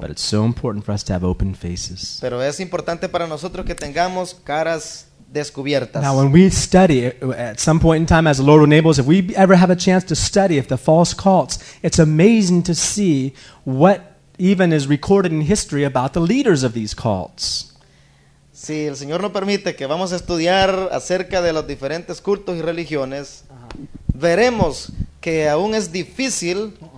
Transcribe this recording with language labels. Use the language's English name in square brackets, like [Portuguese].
[English] But it's so important for us to have open faces. [Spanish] Pero es importante para nosotros que tengamos caras descubiertas. [English] Now, when we study, at some point in time, as the Lord enables, if we ever have a chance to study, if the false cults, it's amazing to see what even is recorded in history about the leaders of these cults. [Spanish] Si el Señor nos permite que vamos a estudiar acerca de los diferentes cultos y religiones, veremos que aún es difícil.